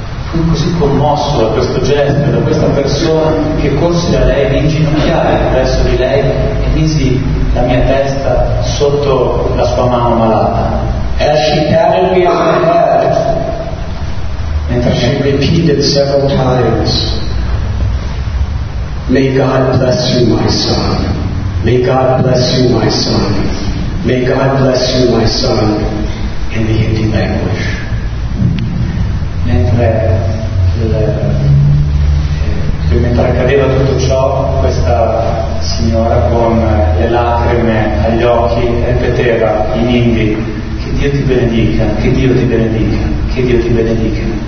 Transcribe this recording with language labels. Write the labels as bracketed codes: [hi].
[it] Fui così commosso da questo gesto, da questa persona, che corsi da lei, mi inginocchiai verso di lei e misi la mia testa sotto la sua mano malata. [en] As she patted me on the head, and she repeated several times, "May God bless you, my son. May God bless you, my son. May God bless you, my son," in the Hindi language. [it] Mentre cadeva tutto ciò, questa signora con le lacrime in Hindi. Che Dio ti benedica, che Dio ti benedica, che Dio ti benedica.